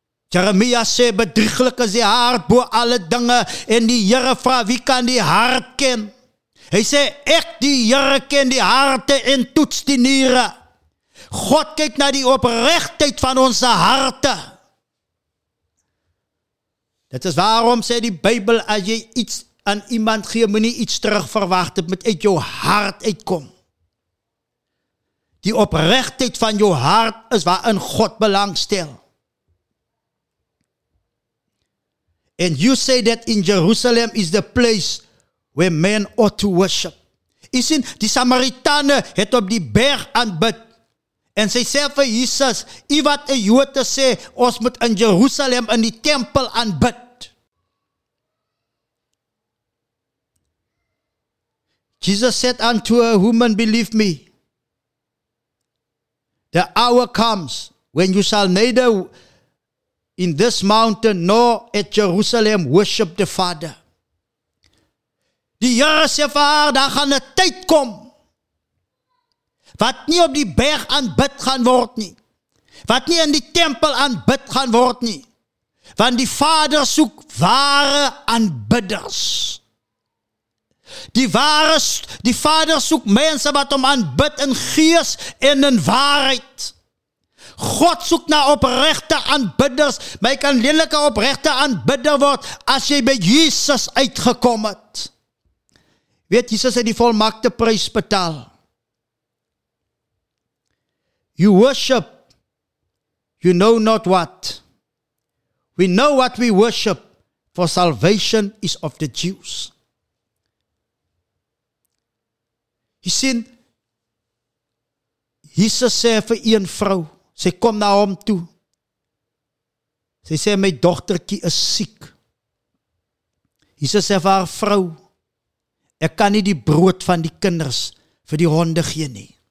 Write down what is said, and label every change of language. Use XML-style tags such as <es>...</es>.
<af>Jeremia sê, bedrieglik is die hart bo alle dinge, en die Here vra, wie kan die hart ken? Hy sê, ek die Here ken die harte en toets die niere. God kyk na die opregtheid van ons harte. Dit is waarom, sê die Bybel, as jy iets aan iemand gee, moet nie iets terugverwacht, het moet uit jou hart uitkom. Die opregtheid van jou hart is waarin God belangstel.</af> <en>And you say that in Jerusalem is the place where men ought to worship. You see,</en> <af>die Samaritane het op die berg aanbid. En sy sê vir Jesus, u wat 'n Jood sê, ons moet in Jerusalem in die tempel aanbid.</af> <en>Jesus said unto a woman, believe me, the hour comes when you shall neither in this mountain, nor at Jerusalem, worship the Father.</en> <af>Die Here sê vir haar, daar gaan 'n tyd kom, wat nie op die berg aanbid gaan word nie, wat nie in die tempel aanbid gaan word nie, want die Vader soek ware aanbidders. Die Vader soek mense wat hom aanbid in gees en in waarheid. God soek na oprechte aanbidders, maar jy kan lelike oprechte aanbidder word as jy by Jesus uitgekom het. Weet, Jesus het die volmaakte prys betaal.</af> <en>You worship, you know not what. We know what we worship, for salvation is of the Jews.</en> <af>Jy sien, Jesus sê vir een vrou, sy kom na hom toe. Sy sê, my dogtertjie is siek. Jesus sê vir haar, vrou, ek kan nie die brood van die kinders vir die honde gee nie.</af>